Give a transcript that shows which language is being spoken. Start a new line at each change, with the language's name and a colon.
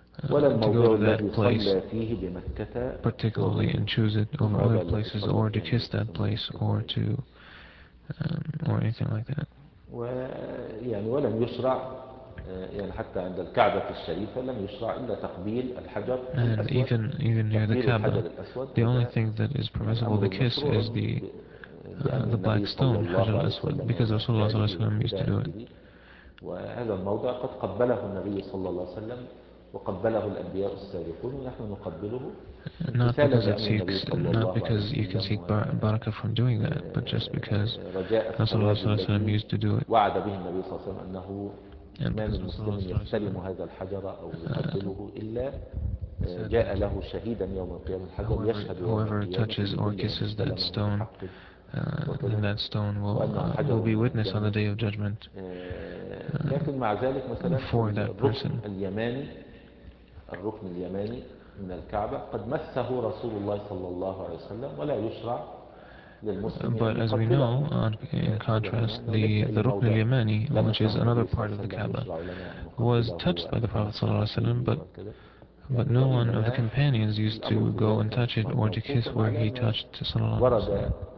Arabic: ولا الموضع الذي صلى فيه بمكة
English: particularly and choose it over other places or to kiss that place or to or anything like that.
Arabic: يعني ولم يشرع يعني حتى عند الكعبة الشريفة لم يشرع إلا تقبيل الحجر الأسود.
English: And even near the Kaaba, the only thing that is permissible to kiss is the black stone, Hajar al-Aswad, because Rasulullah صلى الله عليه وسلم used to do it.
Arabic: وهذا الموضع قد قبله النبي صلى الله عليه وسلم وقبله الأنبياء السابقون ونحن نقبله.
English: Not because it seeks, not because you can seek barakah from doing that, but just because Rasulullah صلى الله عليه وسلم used to do it.
Arabic: وعد به النبي صلى الله عليه وسلم أنه ما من مسلم يستلم هذا الحجر أو يقبله إلا جاء له شهيدا يوم القيامة الحجر يشهد.
English: Whoever touches or kisses that stone, then that stone will be witness on the day of judgment.
Arabic: لكن مع ذلك مثلا
English: for that person.
Arabic: الركن اليماني من الكعبة قد مسه رسول الله صلى الله عليه وسلم ولا يشرع للمسلم.
English: But as we know, in contrast, the ركن اليماني, which is another part of the Kaaba, was touched by the Prophet صلى الله عليه وسلم, but no one of the companions used to go and touch it or to kiss where he touched صلى الله عليه وسلم.